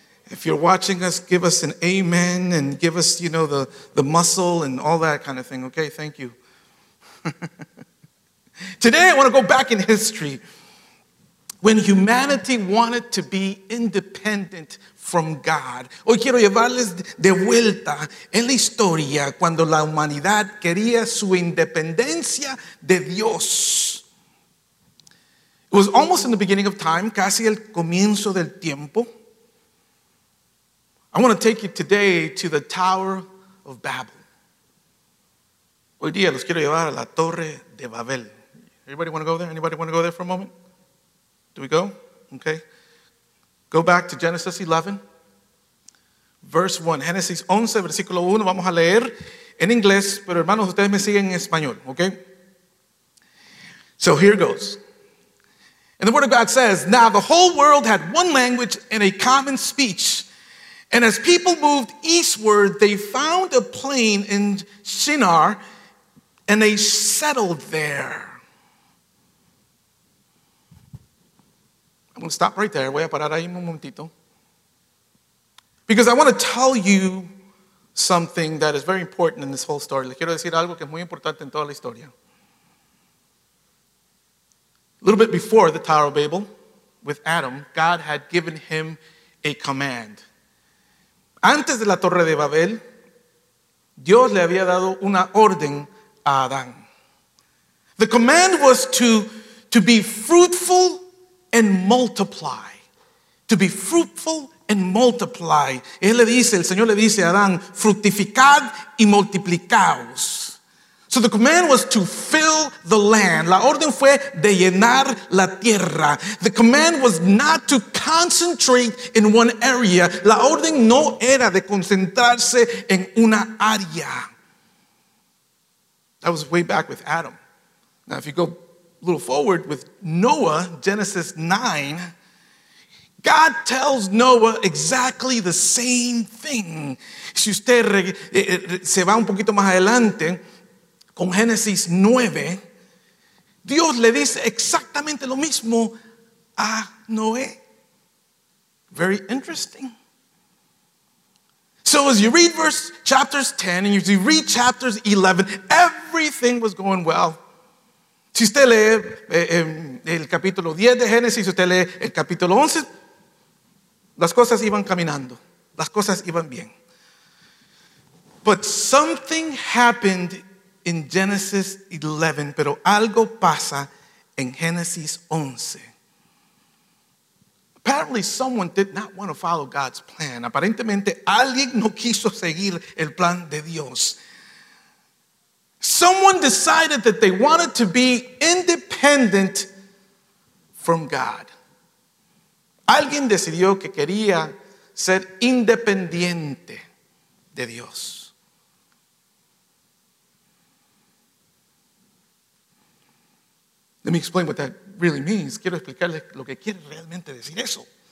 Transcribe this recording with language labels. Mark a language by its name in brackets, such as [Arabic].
[English] If you're watching us, give us an amen and give us, you know, the muscle and all that kind of thing. Okay, thank you. Today I want to go back in history. When humanity wanted to be independent from God. [Spanish] Hoy quiero llevarles de vuelta en la historia cuando la humanidad quería su independencia de Dios. [English] It was almost in the beginning of time, [Spanish] casi el comienzo del tiempo. [English] I want to take you today to the Tower of Babel. [Spanish] Hoy día los quiero llevar a la Torre de Babel. [English] Everybody want to go there? Anybody want to go there for a moment? Do we go? Okay. Go back to Genesis 11, verse 1. [Spanish] Genesis 11, versículo 1. Vamos a leer en inglés, pero hermanos, ustedes me siguen en español, okay? [English] So here goes. And the word of God says, now the whole world had one language and a common speech. And as people moved eastward, they found a plain in Shinar, and they settled there. I'm going to stop right there. [Spanish] Voy a parar ahí un momentito. [English] Because I want to tell you something that is very important in this whole story. [Spanish] Le quiero decir algo que es muy importante en toda la historia. [English] A little bit before the Tower of Babel, with Adam, God had given him a command. [Spanish] Antes de la Torre de Babel, Dios le había dado una orden a Adán. [English] The command was to be fruitful and multiply. To be fruitful and multiply. [Spanish] Él le dice, el Señor le dice a Adán, fructificad y multiplicaos. [English] So the command was to fill the land. [Spanish] La orden fue de llenar la tierra. [English] The command was not to concentrate in one area. [Spanish] La orden no era de concentrarse en una área. [English] That was way back with Adam. Now if you go a little forward with Noah, Genesis 9, God tells Noah exactly the same thing. [Spanish] Si usted se va un poquito más adelante, con Génesis 9, Dios le dice exactamente lo mismo a Noé. [English] Very interesting. So as you read chapters 10 and as you read chapters 11, everything was going well. [Spanish] Si usted lee el capítulo 10 de Génesis, usted lee el capítulo 11, las cosas iban caminando, las cosas iban bien. [English] But something happened in Genesis 11, [Spanish] pero algo pasa en Génesis 11. [English] Apparently, someone did not want to follow God's plan. [Spanish] Aparentemente, alguien no quiso seguir el plan de Dios. [English] Someone decided that they wanted to be independent from God. [Spanish] Alguien decidió que quería ser independiente de Dios. [English] Let me explain what that really means. [Spanish] Quiero explicarles lo que quiere realmente decir eso.